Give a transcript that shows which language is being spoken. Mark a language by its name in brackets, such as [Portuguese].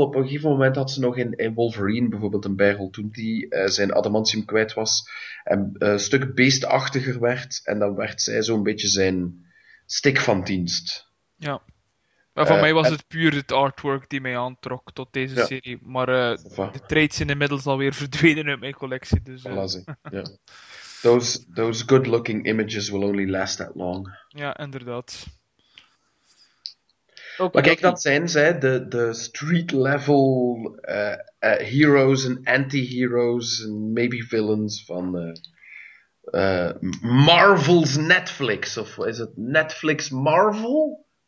[Dutch] Op een gegeven moment had ze nog in Wolverine bijvoorbeeld een bijrol, toen die zijn adamantium kwijt was en een stuk beestachtiger werd. En dan werd zij zo'n beetje zijn stick van dienst. Ja. Maar van mij was het puur het artwork die mij aantrok tot deze serie. Maar de trades zijn inmiddels alweer verdwenen uit mijn collectie. Dus, Lassie, ja. [English] Those good-looking images will only last that long. [Dutch] Ja, inderdaad. Okay. Maar kijk, dat zijn zij, de street-level heroes en anti-heroes en [English] maybe villains [Dutch] van Marvel's Netflix. Of is het Netflix Marvel?